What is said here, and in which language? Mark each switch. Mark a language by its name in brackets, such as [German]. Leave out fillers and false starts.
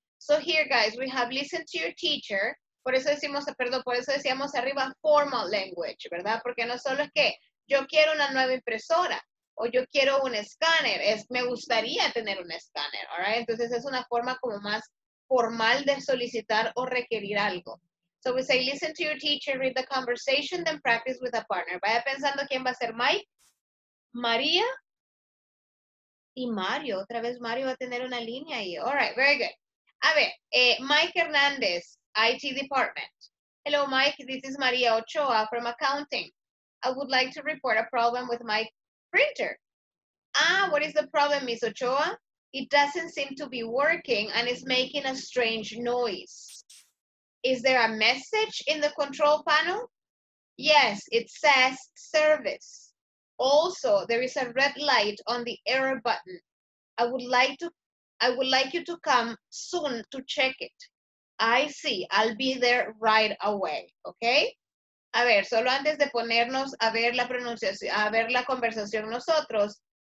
[English] So here, guys, we have listened to your teacher. [Spanish] Por eso decimos, perdón, por eso decíamos arriba formal language, ¿verdad? Porque no solo es que yo quiero una nueva impresora o yo quiero un escáner, es me gustaría tener un escáner. All right? Entonces es una forma como más formal de solicitar o requerir algo. [English] So we say, listen to your teacher, read the conversation, then practice with a partner. [Spanish] Vaya pensando quién va a ser Mike, María y Mario. Otra vez Mario va a tener una línea ahí. [English] All right, very good. [Spanish] A ver, [English] Mike Hernández, IT department. Hello, Mike. This is María Ochoa from accounting. I would like to report a problem with my printer. Ah, what is the problem, Miss Ochoa? It doesn't seem to be working and it's making a strange noise. Is there a message in the control panel? Yes, it says service. Also, there is a red light on the error button. I would like to I would like you to come soon to check it. I see. I'll be there right away. Okay? [Spanish] A ver, solo antes de ponernos a ver la pronunciación, a ver la conversación nosotros.